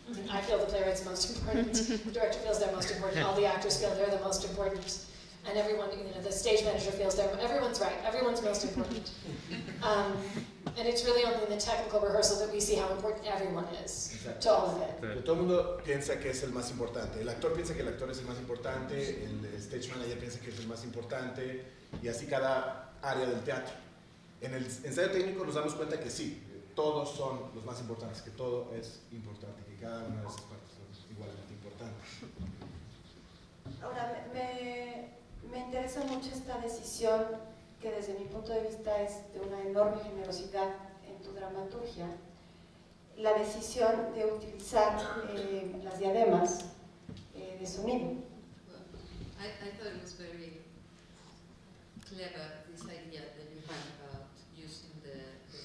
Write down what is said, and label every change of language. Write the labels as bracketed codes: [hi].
[en] I feel the playwright's most important, the director feels they're most important, all the actors feel they're the most important, and everyone, you know, the stage manager feels they're, everyone's right, everyone's most important. And it's really only in the technical rehearsal that we see how important everyone is. [es] Exacto. [en] To all of it. [es] Pero todo el mundo piensa que es el más importante, el actor piensa que el actor es el más importante, el stage manager piensa que es el más importante, y así cada área del teatro. En el ensayo técnico nos damos cuenta que sí, todos son los más importantes, que todo es importante, que cada una de esas partes son igualmente importantes. Ahora, me interesa mucho esta decisión, que desde mi punto de vista es de una enorme generosidad en tu dramaturgia, la decisión de utilizar las diademas de sonido. [en] Well, I thought it was very clever, this idea that you had about using the